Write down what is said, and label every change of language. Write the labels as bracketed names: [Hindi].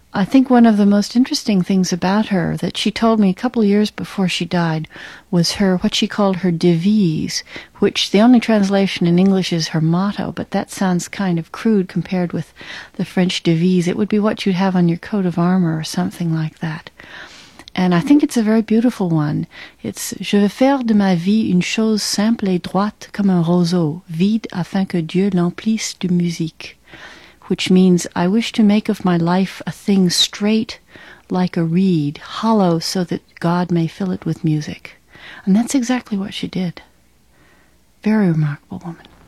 [English] think one of the most interesting things about her that she told me a couple of years before she died was her, what she called her devise, which the only translation in English is her motto, but that sounds kind of crude compared with the French devise. It would be what you'd have on your coat of armor or something like that. And I think it's a very beautiful one. It's, [French] je vais faire de ma vie une chose simple et droite comme un roseau, vide afin que Dieu l'emplisse de musique. [English] Which means, I wish to make of my life a thing straight like a reed, hollow so that God may fill it with music. And that's exactly what she did. Very remarkable woman.